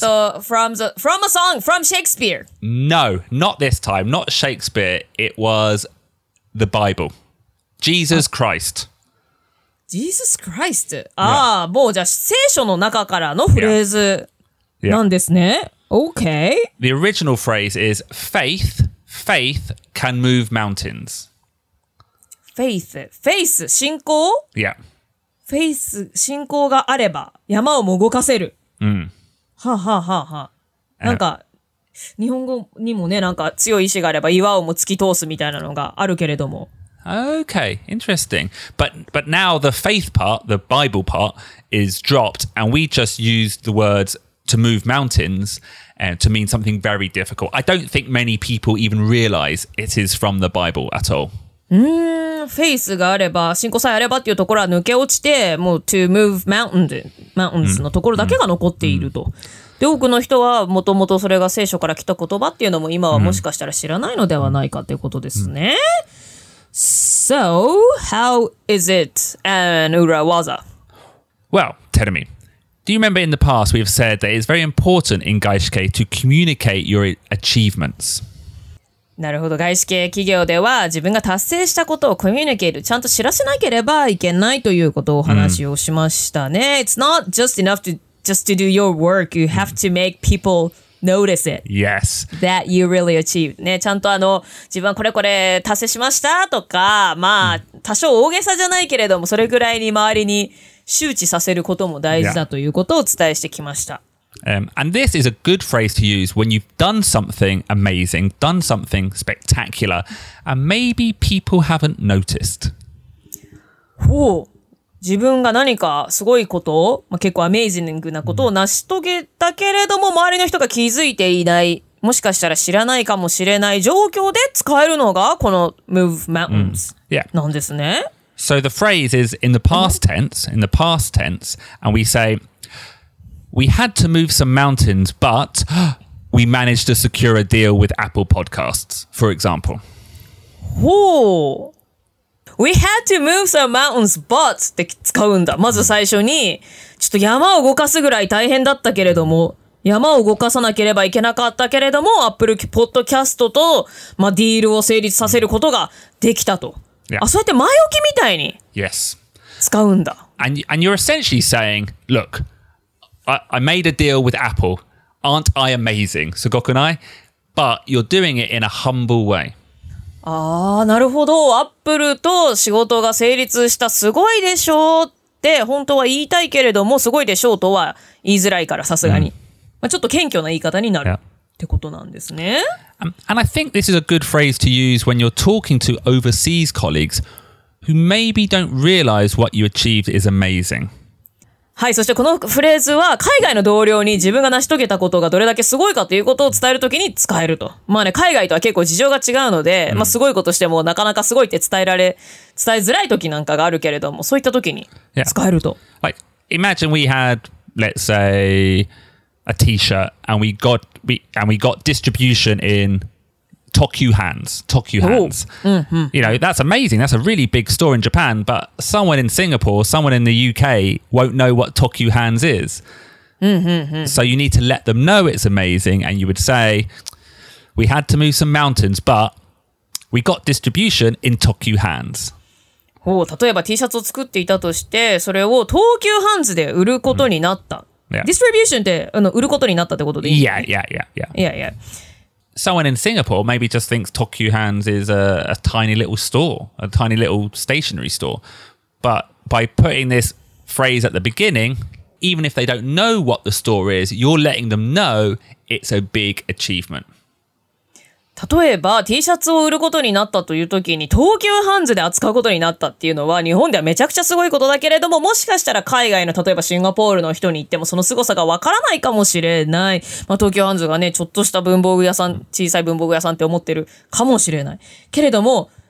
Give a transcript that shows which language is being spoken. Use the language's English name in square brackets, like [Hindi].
[English] from a song, from Shakespeare. No, not this time, not Shakespeare. It was the Bible. Jesus Christ. Jesus Christ. [Japanese] Ah, もうじゃあ聖書の中からのフレーズなんですね。 [English] Okay. The original phrase is faith can move mountains. [Japanese] Faith, 信仰? [English] Yeah. [Japanese] Faith, 信仰があれば山をも動かせる。うん。はははは。なんか日本語にもね、なんか強い意志があれば岩をも突き通すみたいなのがあるけれども。 [English] Okay, interesting. But now the faith part, the Bible part, is dropped, and we just use the words to move mountains, to mean something very difficult. I don't think many people even realize it is from the Bible at all. [Japanese] Faith があれば、信仰さえあればっていうところは抜け落ちて、もう [English] to move mountains [Japanese] のところだけが残っていると。で、多くの人はもともとそれが聖書から来た言葉っていうのも今はもしかしたら知らないのではないかということですね。 [English] So, how is it an urawaza? Well, Terumi, do you remember in the past we've said that it's very important in gaishike to communicate your achievements? [Japanese] なるほど。外資系企業では自分が達成したことをコミュニケート、ちゃんと知らせなければいけないということをお話をしましたね。 Mm. [English] It's not just enough to do your work. You have to make people... Notice it. Yes. That you really achieved. [Japanese] ね、ちゃんと自分はこれこれ達成しましたとか、まあ、多少大げさじゃないけれども、それぐらいに周りに周知させることも大事だということをお伝えしてきました。 [English] And this is a good phrase to use when you've done something amazing, done something spectacular, and maybe people haven't noticed. [Japanese] ほう。自分が何かすごいことを、まあ、結構アメイジングなことを成し遂げたけれども、周りの人が気づいていない、もしかしたら知らないかもしれない状況で使えるのが、この move mountains なんですね。 [English] So the phrase is in the past tense, and we say, we had to move some mountains, but we managed to secure a deal with Apple Podcasts, for example. [Japanese] ほう。 [English] We had to move some mountains, but [Japanese] って使うんだ。まず最初に、ちょっと山を動かすぐらい大変だったけれども、山を動かさなければいけなかったけれども、Apple Podcast と、まあ、ディールを成立させることができたと。 [English] Yeah. [Japanese] あ、そうやって前置きみたいに。 [English] Yes. [Japanese] 使うんだ。 [English] And you're essentially saying, look, I made a deal with Apple. Aren't I amazing? [Japanese] すごくない? [English] But you're doing it in a humble way. [Japanese] ああ、なるほど。アップルと仕事が成立したすごいでしょうって本当は言いたいけれども、すごいでしょうとは言いづらいからさすがに。 [English] Yeah. [Japanese] まあちょっと謙虚な言い方になるってことなんですね。 [English] Yeah. And I think this is a good phrase to use when you're talking to overseas colleagues who maybe don't realize what you achieved is amazing. [Japanese] はい、そしてこのフレーズは海外の同僚に自分が成し遂げたことがどれだけすごいかということを伝えるときに使えると。まあね、海外とは結構事情が違うので、うん、まあすごいことしてもなかなかすごいって伝えづらいときなんかがあるけれども、そういったときに使えると。 [English] Yeah. Like, imagine we had, let's say, a t-shirt and we got, we got distribution in Tokyu Hands. Mm-hmm. You know, that's amazing. That's a really big store in Japan, but someone in Singapore, someone in the UK won't know what Tokyu Hands is. Mm-hmm. So you need to let them know it's amazing. And you would say, we had to move some mountains, but we got distribution in Tokyu Hands. [Japanese] お、例えば T シャツを作っていたとして、それを東急ハンズで売ることになった。ディストリビューションって、売ることになったってことでいい？ [English] Yeah, yeah, yeah, yeah. Yeah, yeah. Someone in Singapore maybe just thinks Tokyu Hands is a tiny little store, a tiny little stationery store. But by putting this phrase at the beginning, even if they don't know what the store is, you're letting them know it's a big achievement. [Japanese] 例えば T シャツを売ることになったという時に東急ハンズで扱うことになったっていうのは日本ではめちゃくちゃすごいことだけれどももしかしたら海外の例えばシンガポールの人に行ってもその凄さがわからないかもしれない、まあ、東急ハンズがねちょっとした文房具屋さん小さい文房具屋さんって思ってるかもしれないけれども